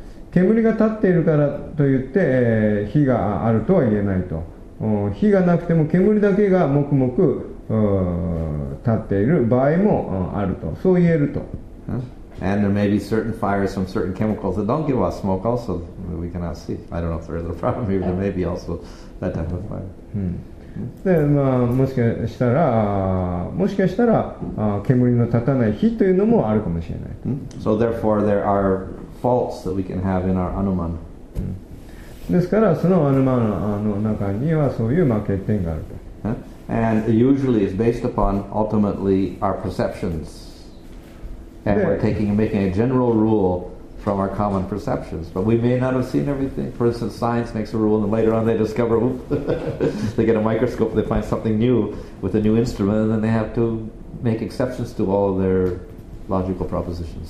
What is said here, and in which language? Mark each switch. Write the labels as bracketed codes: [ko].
[ja] 煙が立っているからといって、火があるとは言えないと。火がなくても煙だけがもくもく立っている場合もあると、そう言えると。 [en] And there may be certain fires from certain chemicals that don't give us smoke also we cannot see. I don't know if there is a problem. Maybe there may be also that type of fire. [ja] で、まあ、もしかしたら煙の立たない火というのもあるかもしれない。 [en] So therefore there are faults that we can have in our anuman. [ja] ですからそのアヌマンの中にはそういう欠点があると。 [en] And usually it's based upon ultimately our perceptions. And we're making a general rule from our common perceptions. But we may not have seen everything. For instance, science makes a rule, and later on they discover, they get a microscope, and they find something new with a new instrument, and then they have to make exceptions to all of their logical propositions.